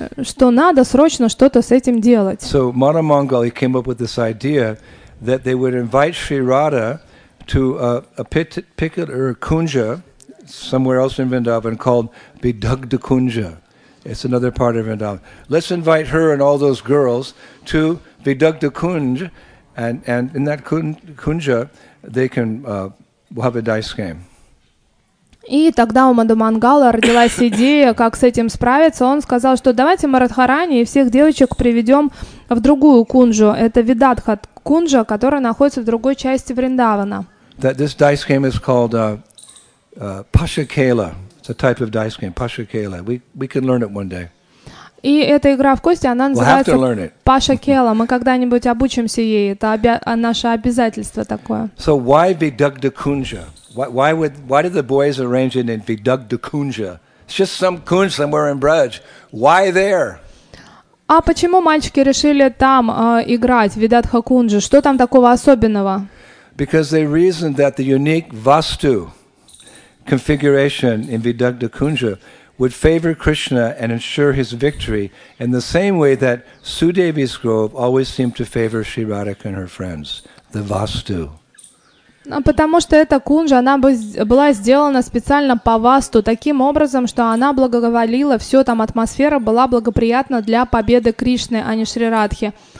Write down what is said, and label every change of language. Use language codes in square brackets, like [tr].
[ru] Что надо срочно что-то с этим делать. [en] So Mara Mangal came up with this idea that they would invite Sri Radha to a particular kunja somewhere else in Vrindavan called Bidugdha Kunja. It's another part of Vrindavan. Let's invite her and all those girls to Bidugdha Kunja, and in that kunja they can have a dice game. [ru] И тогда у Маду Мангала родилась идея, как с этим справиться. Он сказал, что давайте мы Радхарани и всех девочек приведем в другую кунжу. Это Видадха Кунджа, которая находится в другой части Вриндавана. [en] That this dice game is called Pashakela. It's a type of dice game, Pashakela. We can learn it one day. [ru] И эта игра в кости, она называется Pashakela. Мы когда-нибудь обучимся ей. Это наше обязательство такое. [en] So why Vidugdha Kunja? Why did the boys arrange it in Vidugdha Kunja? It's just some kunj somewhere in Braj. Why there? [ru] А почему мальчики решили там играть, Vidugdha Kunja? Что там такого особенного? [en] Because they reasoned that the unique vastu configuration in Vidugdha Kunja would favor Krishna and ensure his victory in the same way that Sudevi's grove always seemed to favor Sri Radhika and her friends, the Vastu. [ru] Потому что эта кунжа, она была сделана специально по Васту, таким образом, что она благоволила, все там атмосфера была благоприятна для победы Кришны, а не Шри Радхи.